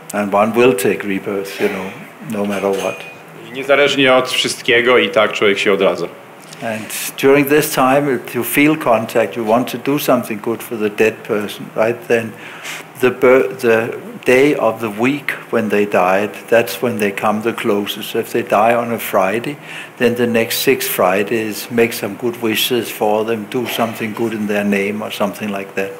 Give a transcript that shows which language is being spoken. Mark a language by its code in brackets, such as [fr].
[en] And one will take rebirth, you know, no matter what. [pl] I niezależnie od wszystkiego i tak człowiek się odradza. [en] And during this time if you feel contact, you want to do something good for the dead person, right? Then the day of the week when they died, that's when they come the closest. If they die on a Friday, then the next 6 Fridays, make some good wishes for them, do something good in their name or something like that.